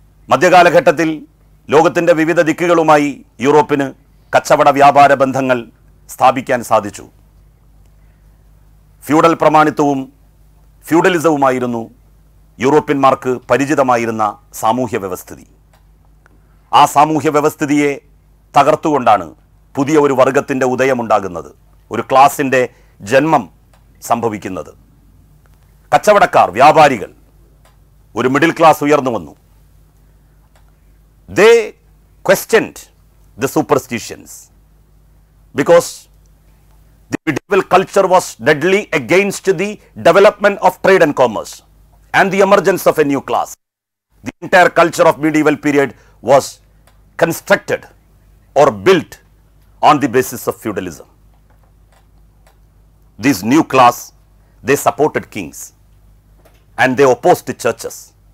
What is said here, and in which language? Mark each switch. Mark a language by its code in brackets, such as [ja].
[ml] Madhyakala ghattathil lokathinte vivida dikkukalumayi Europeinu kachavada vyapara bandhangal sthapikkan sadichu. Feudal pramanithavum feudalismavum ayirunnu യൂറോപ്യന്മാർക്ക് പരിചിതമായിരുന്ന സാമൂഹ്യ വ്യവസ്ഥിതി. ആ സാമൂഹ്യ വ്യവസ്ഥിതിയെ തകർത്തുകൊണ്ടാണ് പുതിയ ഒരു വർഗത്തിൻ്റെ ഉദയമുണ്ടാകുന്നത്, ഒരു ക്ലാസിൻ്റെ ജന്മം സംഭവിക്കുന്നത്. കച്ചവടക്കാർ, വ്യാപാരികൾ, ഒരു മിഡിൽ ക്ലാസ് ഉയർന്നു വന്നു. [en] They questioned the superstitions because the medieval culture was deadly against the development of trade and commerce and the emergence of a new class. The entire culture of medieval period was constructed or built on the basis of feudalism. This new class, they supported kings and they opposed the churches.